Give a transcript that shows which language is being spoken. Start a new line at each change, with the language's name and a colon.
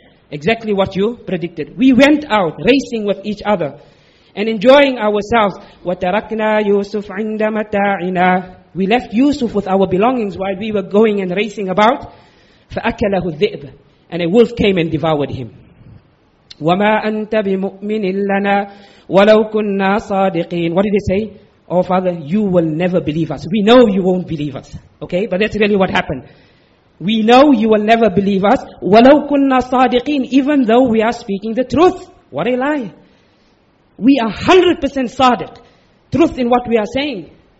English: Exactly what you predicted. We went out racing with each other and enjoying ourselves.
Arabic: وَتَرَكْنَا يُوسُفْ عِنْدَ مَتَاعِنَا
English: We left Yusuf with our belongings while we were going and racing about.
Arabic: فَأَكَلَهُ الذِّئْبُ
English: And a wolf came and devoured him.
Arabic: وَمَا أَنْتَ بِمُؤْمِنٍ لَنَا وَلَوْ كُنَّا صَادِقِينَ
English: What did they say? Oh Father, you will never believe us. We know you won't believe us. Okay, but that's really what happened. We know you will never believe us.
Arabic: وَلَوْ كُنَّا صَادِقِينَ
English: Even though we are speaking the truth. What a lie. We are 100% sadiq, truth in what we are saying.